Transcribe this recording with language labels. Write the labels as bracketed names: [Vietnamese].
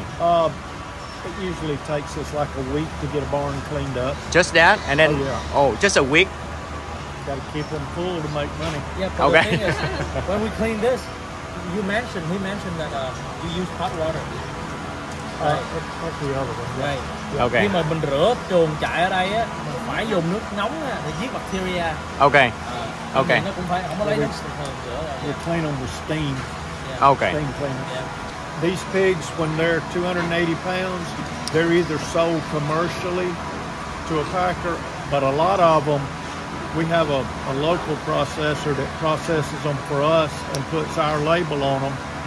[English] It usually takes us like a week to get a barn cleaned up. Just that? And then? Oh, yeah. Just a week? Got to keep them full to make money. Yeah, okay. When we clean this, he mentioned that you use hot water. [Vietnamese] Đây. [English] Okay. [Vietnamese] Khi mà mình rửa chuồng trại ở đây á, mình phải dùng nước nóng á, để giết bacteria. [English] Okay. Okay. [Vietnamese] Nó cũng phải không có lấy nước thường rửa. [English] We're playing on the steam. Yeah. Okay. Steam cleaner. Yeah. These pigs, when they're 280 pounds, they're either sold commercially to a packer, but a lot of them, we have a local processor that processes them for us and puts our label on them. Mm.